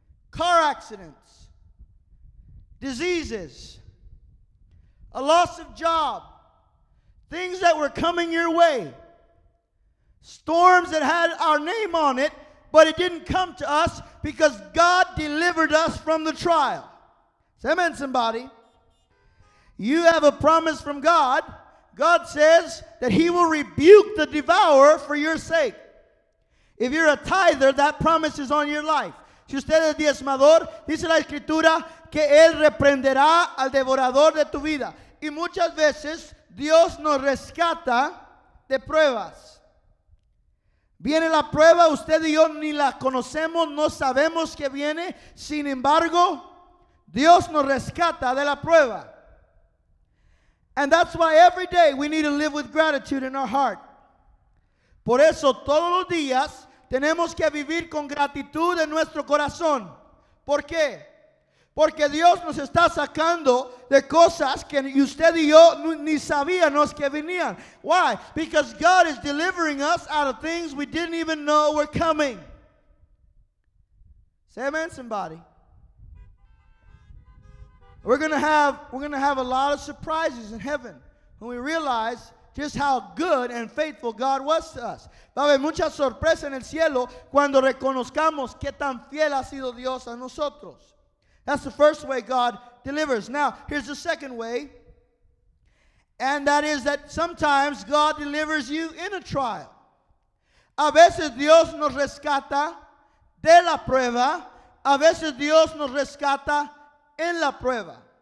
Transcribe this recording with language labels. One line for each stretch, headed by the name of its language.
English: Car accidents, diseases, a loss of job, things that were coming your way, storms that had our name on it, but it didn't come to us because God delivered us from the trial. Say amen, somebody. You have a promise from God. God says that he will rebuke the devourer for your sake. If you're a tither, that promise is on your life.
Spanish: Si usted es diezmador, dice la escritura que él reprenderá al devorador de tu vida. Y muchas veces Dios nos rescata de pruebas. Viene la prueba, usted y yo ni la conocemos, no sabemos que viene. Sin embargo, Dios nos rescata de la prueba.
English: And that's why every day we need to live with gratitude in our heart.
Spanish: Por eso todos los días tenemos que vivir con gratitud en nuestro corazón. ¿Por qué? Porque Dios nos está sacando de cosas que usted y yo ni sabíamos que venían.
English: Why? Because God is delivering us out of things we didn't even know were coming. Say amen, somebody. We're going to have a lot of surprises in heaven when we realize just how good and faithful God was to us.
Spanish: Va a haber mucha sorpresa en el cielo cuando reconozcamos qué tan fiel ha sido Dios a nosotros.
English: That's the first way God delivers. Now, here's the second way. And that is that sometimes God delivers you in a trial.
Spanish: A veces Dios nos rescata de la prueba. A veces Dios nos rescata en la prueba.